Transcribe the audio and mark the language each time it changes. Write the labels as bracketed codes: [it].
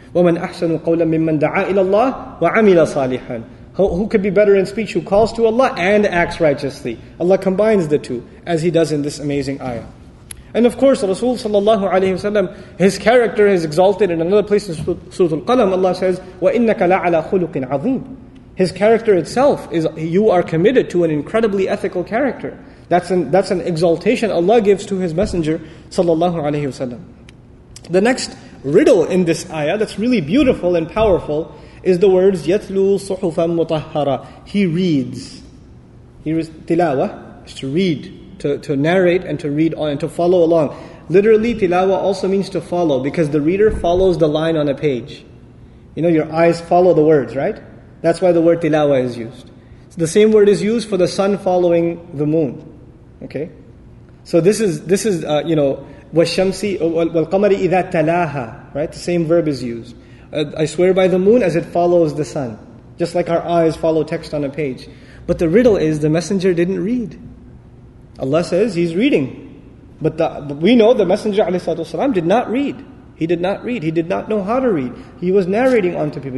[ar] وَمَنْ أَحْسَنُ قَوْلًا مِمَّنْ دَعَى إِلَى اللَّهِ وَعَمِلَ صَالِحًا. [en] Who could be better in speech? Who calls to Allah and acts righteously? Allah combines the two, as He does in this amazing ayah. And of course, Rasul sallallahu alayhi wa sallam, his character is exalted in another place in Surah Al-Qalam. Allah says, [ar] وَإِنَّكَ لَعَلَى خُلُقٍ عَظِيمٍ. [en] His character itself is, you are committed to an incredibly ethical character. That's an exaltation Allah gives to His Messenger sallallahu alayhi wa sallam. The next riddle in this ayah that's really beautiful and powerful is the words, [ar] يَتْلُو صُحُفًا مُطَهَّرًا. [en] He reads. He reads tilawa, is to read, to narrate and to read on and to follow along. Literally, tilawa also means to follow, because the reader follows the line on a page. You know, your eyes follow the words, right? That's why the word tilawa is used. So the same word is used for the sun following the moon. Okay? So this is [ar] وَالشَّمْسِ وَالْقَمَرِ إِذَا تَلَاهَا. [en] Right? The same verb is used. I swear by the moon as it follows the sun. Just like our eyes follow text on a page. But the riddle is, the messenger didn't read. Allah says he's reading. But we know the messenger والسلام, did not read. He did not read. He did not know how to read. He was narrating onto people.